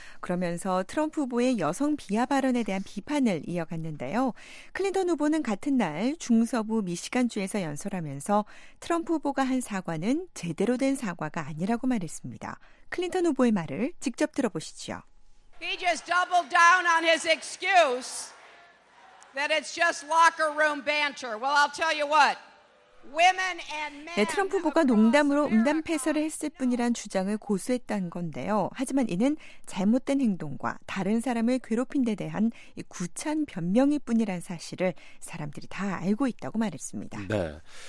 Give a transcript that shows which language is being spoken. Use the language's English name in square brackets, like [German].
[Korean] 그러면서 트럼프 후보의 여성 비하 발언에 대한 비판을 이어갔는데요. 클린턴 후보는 같은 날 중서부 미시간주에서 연설하면서 트럼프 후보가 한 사과는 제대로 된 사과가 아니라고 말했습니다. 클린턴 후보의 말을 직접 들어보시죠. [English] He just doubled down on his excuse that it's just locker room banter. Well, I'll tell you what. Women and men. [Korean] 네, 트럼프 후보가 농담으로 음담패설을 했을 뿐이란 주장을 고수했던 건데요. 하지만 이는 잘못된 행동과 다른 사람을 괴롭힌 데 대한 구차한 변명일 뿐이란 사실을 사람들이 다 알고 있다고 말했습니다. 네.